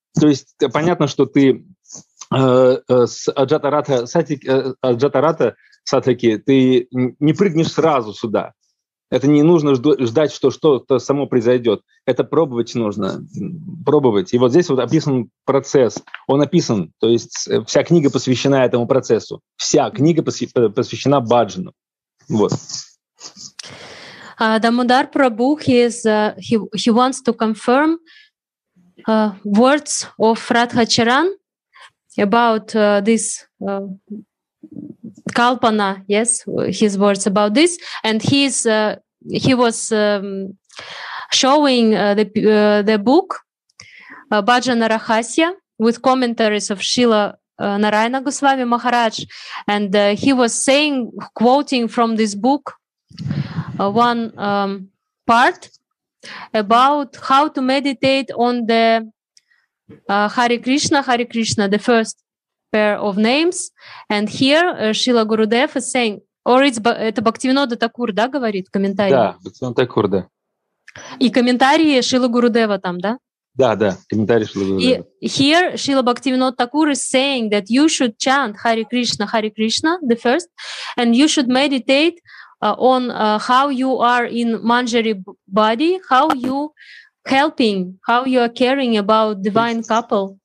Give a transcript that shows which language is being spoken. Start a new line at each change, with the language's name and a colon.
Russian: То есть понятно, что ты с аджата-рата сатхаки, ты не прыгнешь сразу сюда. Это не нужно ждать, что что-то само произойдет. Это пробовать нужно. Пробовать. И вот здесь вот описан процесс. Он описан. То есть вся книга посвящена этому процессу. Вся книга посвящена баджану. Вот. Дамодар Прабу,
English: he wants to confirm words of Radha Charan about this Kalpana, yes, his words about this, and he was showing the book Bhajana Rahasya with commentaries of Srila Narayana Goswami Maharaj, and he was saying, quoting from this book, one part about how to meditate on the Hare Krishna, the first pair of names, and here Srila Gurudev is saying, or it's
Russian: это Бхактивинода Такур, да, говорит комментарий. Да, Бхактивинода Такур, да. И комментарии Шрилы Гурудева там, да? Да, да, комментарии Шрилы Гурудева.
English: Here Srila Bhaktivinoda Thakur is saying that you should chant Hare Krishna, the first, and you should meditate on how you are in Manjari body, how you helping, how you are caring about divine couple.